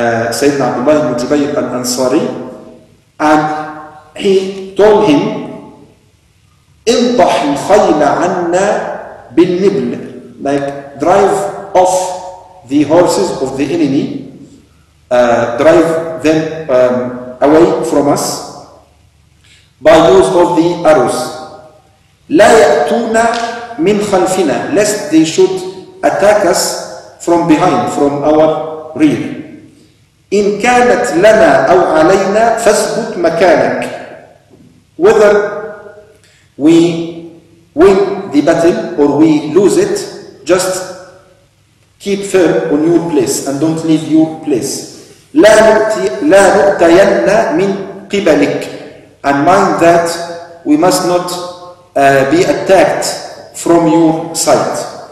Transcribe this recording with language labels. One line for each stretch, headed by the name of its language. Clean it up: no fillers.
English: سيدنا عبد الله بن جبير الأنصاري, and he told him
Arabic: انطح الخيل عنا بالنبل,
English: like drive off the horses of the enemy, drive them away from us by use of the arrows.
Arabic: لا يأتون من خلفنا,
English: lest they should attack us from behind, from our rear.
Arabic: إن كانت لنا أو علينا فاثبت مكانك.
English: Whether we win the battle or we lose it, just keep firm on your place and don't leave your place.
Arabic: لا نؤتين من قبلك,
English: and mind that we must not be attacked from your sight.